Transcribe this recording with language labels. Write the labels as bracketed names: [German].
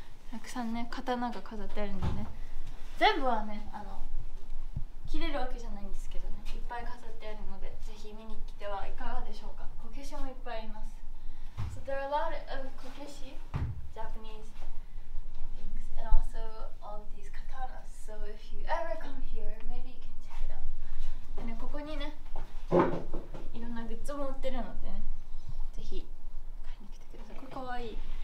[Japanese] たくさんね、刀が飾ってあるんでね、全部はね、切れるわけじゃないんですけどね、いっぱい飾ってあるので、ぜひ見に来てはいかがでしょうか。こけしもいっぱいいます。 [English] So there are a lot of こけし Japanese things and also all these katanas. So if you ever come here, maybe you can check it out. [Japanese] でね、ここにね、いろんなグッズも売ってるのでね、ぜひ買いに来てください。これかわいい。